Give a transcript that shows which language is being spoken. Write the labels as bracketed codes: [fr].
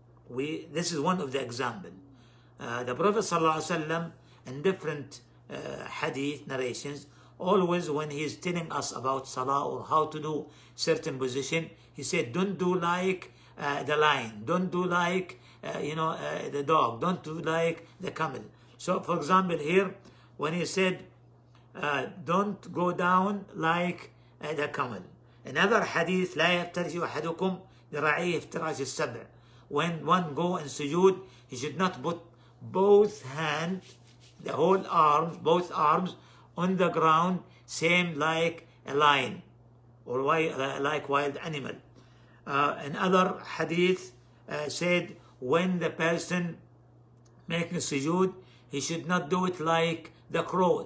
[en] This is one of the examples. The Prophet sallallahu alaihi wasallam, in different hadith narrations, always when he is telling us about salah or how to do certain position, he said, don't do like the lion, don't do like the dog, don't do like the camel. So for example here, when he said, don't go down like the camel. Another hadith, [ar] لا يفترش أحدكم ذراعيه افتراش السبع. [en] When one go in sujood, he should not put both hands, the whole arms, both arms on the ground, same like a lion or like wild animal. Another hadith said, when the person making sujood, he should not do it like the crow.